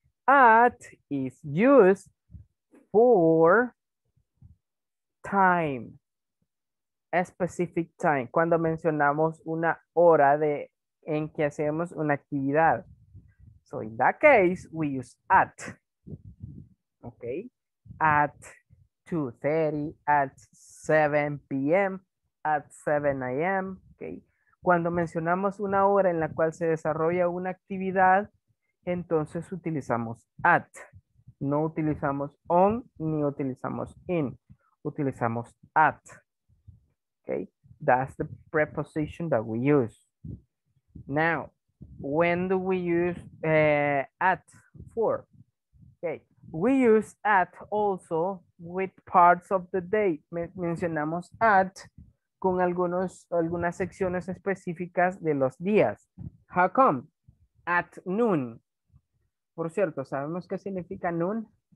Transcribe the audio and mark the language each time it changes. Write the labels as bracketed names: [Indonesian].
[English] At is used for time, a specific time, [Spanish] cuando mencionamos una hora de en que hacemos una actividad. [English] So in that case, we use at, okay? At 2:30, at 7 p.m., at 7 a.m., okay? [Spanish] Cuando mencionamos una hora en la cual se desarrolla una actividad, entonces utilizamos at, no utilizamos on ni utilizamos in, utilizamos at. [English] Okay, that's the preposition that we use. Now, when do we use at for? Okay, we use at also with parts of the day. [Spanish] Mencionamos at con algunas secciones específicas de los días. [English] How come? At noon. [Spanish] Por cierto, ¿sabemos qué significa noon?